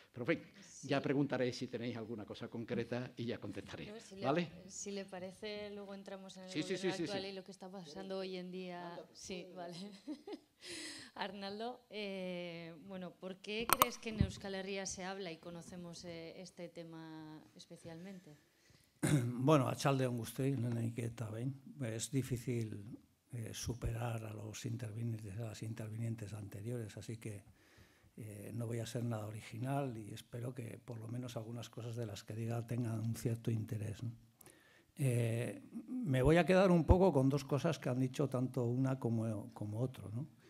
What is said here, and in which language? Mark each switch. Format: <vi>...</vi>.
<es>Pero, en fin, sí. Ya preguntaré si tenéis alguna cosa concreta y ya contestaré, no, ¿vale? Si le parece, luego entramos en el gobierno actual. Y lo que está pasando hoy en día. Sí, vale. Arnaldo, ¿por qué crees que en Euskal Herria se habla y conocemos este tema especialmente?</es> <eu>Bueno, atxaldeon guztioi, lehenik eta behin.</eu> <es>Es difícil superar a los intervinientes, anteriores, así que no voy a ser nada original y espero que por lo menos algunas cosas de las que diga tengan un cierto interés, ¿no? Me voy a quedar un poco con dos cosas que han dicho tanto una como otro, ¿no?</es>